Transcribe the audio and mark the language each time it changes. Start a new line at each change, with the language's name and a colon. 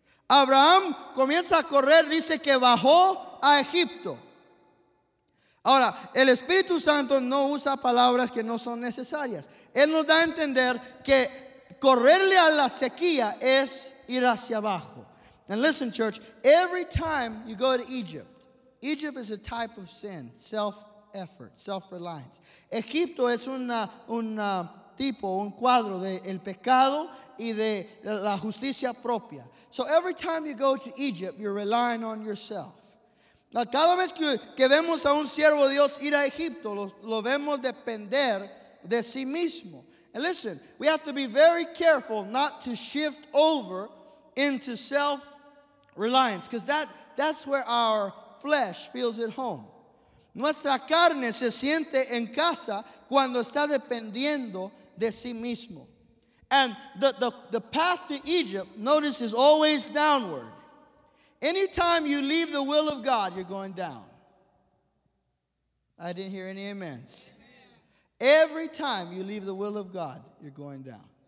Spanish: Abraham comienza a correr, dice que bajó a Egipto. Ahora, el Espíritu Santo no usa palabras que no son necesarias. Él nos da a entender que correrle a la sequía es ir hacia abajo.
English: And listen, church, every time you go to Egypt, Egypt is a type of sin, self-effort, self-reliance.
Spanish: Egipto es una tipo, un cuadro de el pecado y de la justicia propia.
English: So every time you go to Egypt, you're relying on yourself.
Spanish: Cada vez que vemos a un siervo de Dios ir a Egipto, lo vemos depender de sí mismo.
English: And listen, we have to be very careful not to shift over into self-reliance, because that's where our flesh feels at home.
Spanish: Nuestra carne se siente en casa cuando está dependiendo de sí mismo.
English: And the path to Egypt, notice, is always downward. Anytime you leave the will of God, you're going down. I didn't hear any amens. Amen. Every time you leave the will of God, you're going down. Amen.